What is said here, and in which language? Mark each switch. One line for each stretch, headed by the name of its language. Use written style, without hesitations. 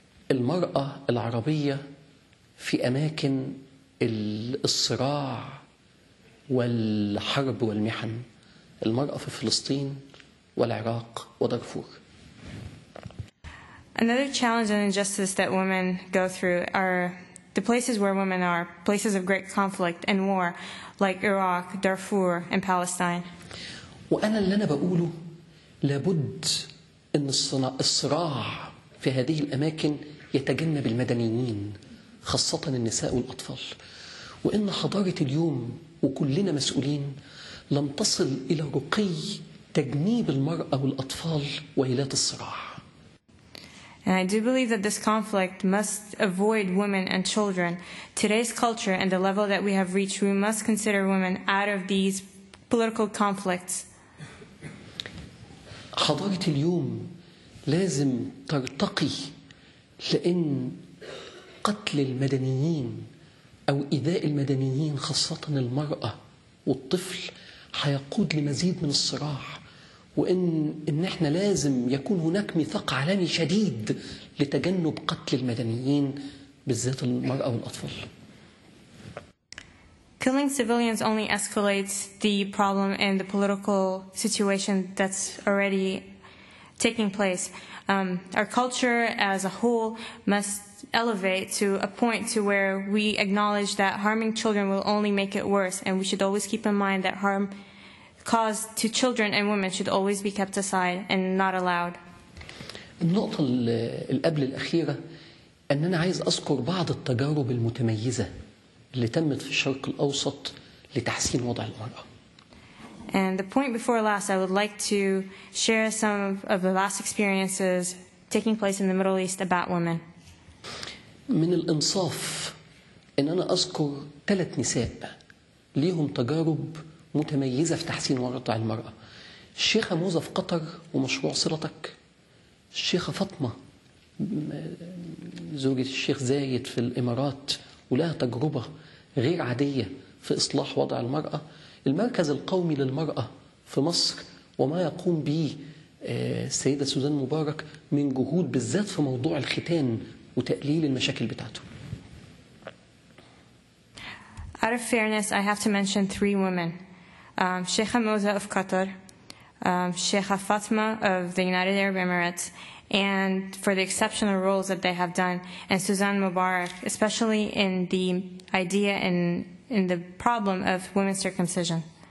Arabic: المرأة العربية في أماكن الصراع والحرب والمحن، المرأة في فلسطين والعراق ودارفور.
English: Another challenge and injustice that women go through are the places where women are, places of great conflict and war, like Iraq, Darfur, and Palestine.
Arabic: وأنا اللي أنا بقوله لابد إن الصراع في هذه الأماكن يتجنب المدنيين، خاصة النساء والأطفال، وإن حضارة اليوم وكلنا مسؤولين لم تصل إلى رقي تجنيب المرأة والأطفال وإيلات الصراع.
English: And I do believe that this conflict must avoid women and children. Today's culture and the level that we have reached, we must consider women out of these political conflicts.
Arabic: حضارة اليوم لازم ترتقي، لأن قتل المدنيين أو إيذاء المدنيين خاصة المرأة والطفل هيقود لمزيد من الصراع، وإن إحنا لازم يكون هناك ميثاق عالمي شديد لتجنب قتل المدنيين بالذات المرأة والأطفال.
English: Killing civilians only escalates the problem in the political situation that's already taking place. Our culture as a whole must elevate to a point to where we acknowledge that harming children will only make it worse, and we should always keep in mind that harm caused to children and women should always be kept aside and not allowed.
Arabic: النقطة قبل الأخيرة أن أنا عايز أذكر بعض التجارب المتميزة اللي تمت في الشرق الأوسط لتحسين وضع المرأة.
English: And the point before last, I would like to share some of the last experiences taking place in the Middle East about women.
Arabic: من الإنصاف إن أنا أذكر ثلاث نساء ليهم تجارب متميزة في تحسين وضع المرأة. الشيخة موزة في قطر ومشروع صلتك، الشيخة فاطمة زوجة الشيخ زايد في الإمارات ولها تجربة غير عادية في إصلاح وضع المرأة، المركز القومي للمرأة في مصر وما يقوم به السيدة سوزان مبارك من جهود بالذات في موضوع الختان وتقليل المشاكل بتاعته.
English: Out of fairness, I have to mention three women. Sheikha Moza of Qatar, Sheikha Fatma of the United Arab Emirates, and for the exceptional roles that they have done, and Suzanne Mubarak, especially in the idea and in the problem of women's circumcision.